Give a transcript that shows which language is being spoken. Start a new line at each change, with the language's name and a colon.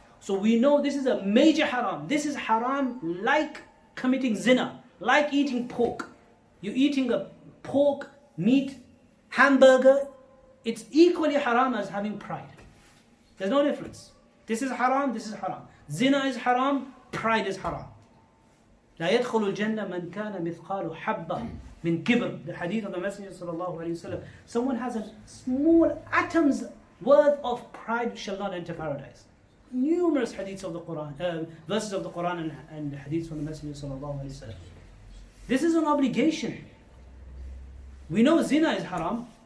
English: So we know this is a major haram. This is haram like committing zina, like eating pork. You're eating a pork, meat, hamburger. It's equally haram as having pride. There's no difference. This is haram, this is haram. Zina is haram, pride is haram.
Arabic: لا يدخل الجنة من كان مثقال حبة من كبر.
English: The hadith of the Messenger sallallahu alayhi wa sallam. Someone has a small atom's worth of pride shall not enter paradise. Numerous hadiths of the Quran, verses of the Quran and hadiths from the Messenger sallallahu alayhi wa sallam. This is an obligation. We know zina is haram.